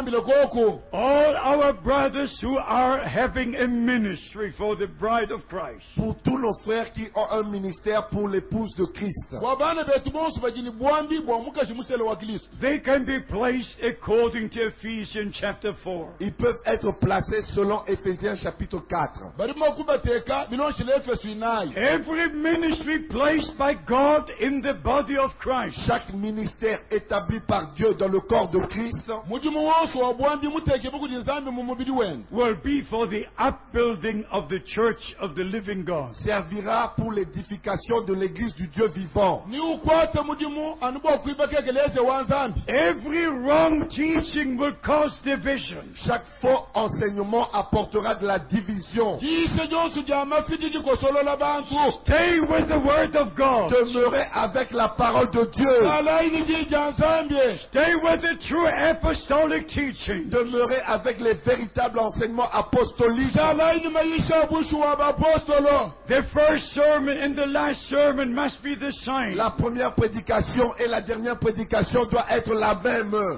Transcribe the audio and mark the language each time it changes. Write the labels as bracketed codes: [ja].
[en] All our brothers who are having a ministry for the bride of Christ. [fr] Pour tous nos frères qui ont un ministère pour l'épouse de Christ. [en] They can be placed according to Ephesians chapter 4. [fr] Ils peuvent être placés selon Ephésiens chapitre 4. [en] Every ministry placed by God in the body of Christ. [fr] Chaque ministère établi par Dieu dans le corps de Christ. [en] Will be for the upbuilding of the church of the living God. [fr] Servira pour l'édification de l'église du Dieu vivant. [en] Every wrong teaching will cause division. [fr] Chaque faux enseignement apportera de la division. [en] Stay with the word of God. [fr] Demeurez avec la parole de Dieu. [en] Stay with the true apostolic teaching. [fr] Demeurez avec les véritables enseignements apostoliques. [en] The first sermon and the last sermon must be the same. [fr] La première prédication et la dernière prédication doit être la même.